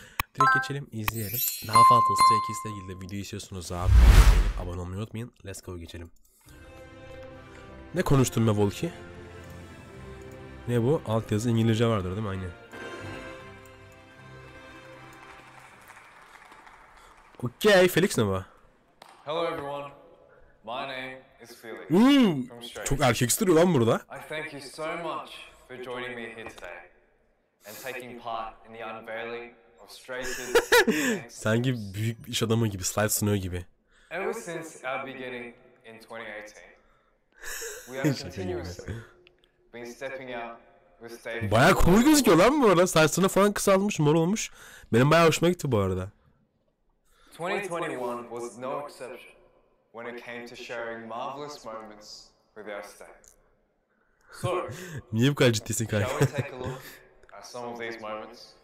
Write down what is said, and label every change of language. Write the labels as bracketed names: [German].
[Turkish] Direkt geçelim, izleyelim. Daha fazla Stray Kids'le ilgili de video istiyorsunuz abi, abone olmayı unutmayın. Let's go, geçelim. Ne konuştun be Volki? Ne bu? Altyazı İngilizce vardır değil mi? Aynen. Okay, Felix ne var? [English] Hello everyone. My name is Felix from [Turkish] Çok erkek istiyor lan burada. [English] I thank you so much for joining me here today and taking part in the unveiling of Stray Kids. [Turkish] Sanki büyük iş adamı gibi, slide sunuyor gibi. [English] Ever since our beginning in 2018, we have continuously been stepping out. [Turkish] Bayağı cool gözüküyor lan bu arada. Saçını falan kısaltmış, mor olmuş. Benim bayağı hoşuma gitti bu arada. [English] 2021 was no exception when it came to sharing marvelous moments with our staff. So, [Turkish] niye bu kadar ciddisin kanka? [English] Shall we take a look at some of these moments?